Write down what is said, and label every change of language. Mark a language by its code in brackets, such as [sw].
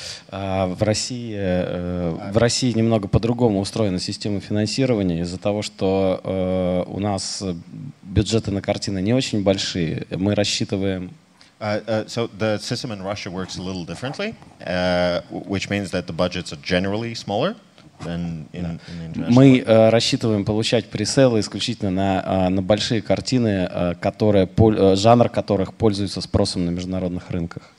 [ru] В России немного по-другому устроена система финансирования из-за того, что у нас бюджеты на картины не очень большие. Мы рассчитываем. [en] So the system in Russia works a little differently, which means that the budgets are generally smaller than in international. [ru] Мы рассчитываем получать пресейлы исключительно на большие картины, которые жанр которых пользуется спросом на международных рынках.